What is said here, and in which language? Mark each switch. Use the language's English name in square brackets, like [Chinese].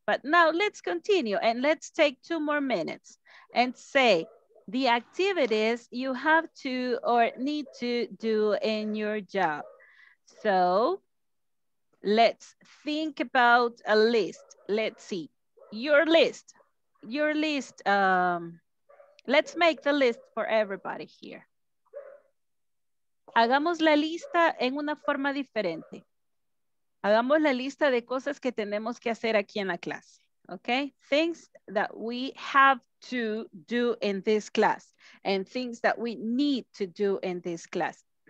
[English] But now let's continue and let's take two more minutes and say the activities you have to or need to do in your job. So let's think about a list. Let's see your list. Your list, let's make the list for everybody here. [Spanish] Hagamos la lista en una forma diferente. Hagamos la lista de cosas que tenemos que hacer aquí en la clase. [English] Okay, things that we have to do in this class and things that we need to do in this class.